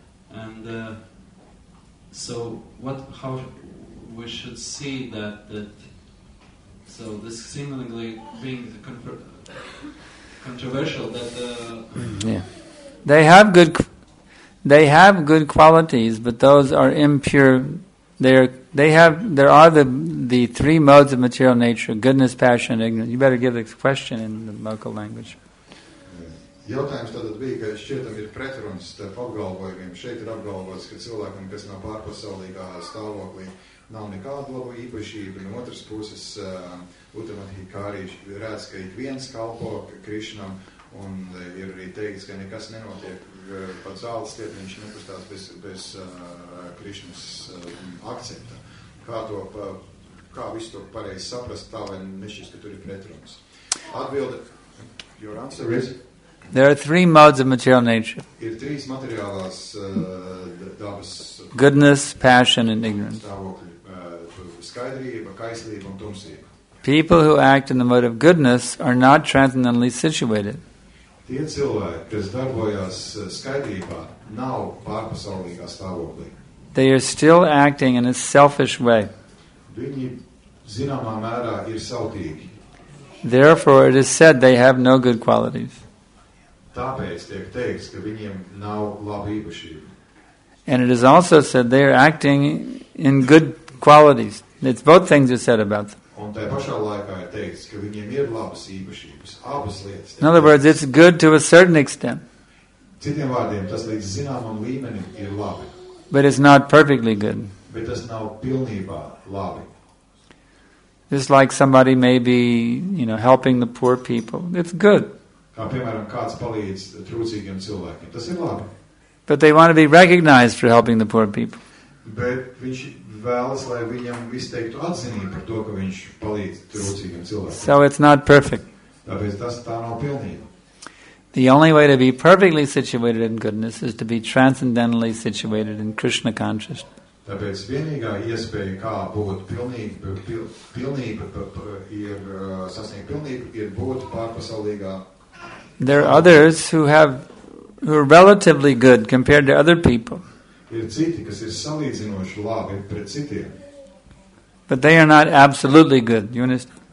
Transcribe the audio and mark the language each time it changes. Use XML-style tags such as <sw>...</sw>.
<en>And so what, how we should see that, that so this seemingly being the controversial that they have good qualities, but those are impure. There are the three modes of material nature: goodness, passion, and ignorance. You better give this question in the local language.</en> <lv>Jautājums tātad bija, ka šķietam ir pretruns starp apgalvojumiem. Šeit ir apgalvots, ka cilvēkam, kas nav pārpasaulīgā stāvoklī, nav nekāda laba īpašība. No otras puses, Uttamadhikāri redz, ka ik viens kalpo Krišnam, un ir arī teikts, ka nekas nenotiek. Pa zāles stiet, viņš nepastās bez Krišnas akcepta. Kā visu to pareizi saprast, tā vai nešķis, ka tur ir pretrums. Atbilde,</lv> <en>your answer is? There are three modes of material nature.</en> <lv>Ir trīs materiālās dabas.</lv> <en>Goodness, passion and ignorance.</en> <lv>Stāvokļi, skaidrība, kaislība un tumsība.</lv> <en>People who act in the mode of goodness are not transcendentally situated.</en> <lv>Tie cilvēki, kas darbojās skaidrībā, nav pārpasaulīgā stāvoklī.</lv> <en>They are still acting in a selfish way.</en> <lv>Viņi zināmā mērā ir sautīgi.</lv> <en>Therefore, it is said they have no good qualities.</en> <lv>Tāpēc tiek teikts, ka viņiem nav laba īpašība.</lv> <en>And it is also said they are acting in good qualities. It's both things are said about them.</en> <lv>Un tajā pašā laikā ir teikts, ka viņiem ir labas īpašības, abas lietas.</lv> <en>In other words, it's good to a certain extent.</en> <lv>Citiem vārdiem, tas līdz zināmam līmenim ir labi.</lv> <en>But it's not perfectly good.</en> <lv>Bet tas nav pilnībā labi.</lv> <en>Just like somebody maybe, you know, helping the poor people. It's good.</en> <lv>Kā piemēram, kāds palīdz trūcīgiem cilvēkiem. Tas ir labi.</lv> <en>But they want to be recognized for helping the poor people.</en> <lv>Bet viņš vēlas, lai viņam izteiktu atzinību par to, ka viņš palīdz trūcīgiem cilvēkiem.</lv> <en>So it's not perfect.</en> <lv>Tāpēc tas tā nav pilnība.</lv> <en>The only way to be perfectly situated in goodness is to be transcendentally situated in Krishna consciousness.</en> <lv>Tāpēc vienīgā iespēja, kā būt pilnība, ir būt pārpasaulīgā.</lv> <en>There are others who are relatively good compared to other people.</en> <lv>Ir citi, kas ir salīdzinoši labi pret citiem.</lv> <en>But they are not absolutely good, you understand?</en>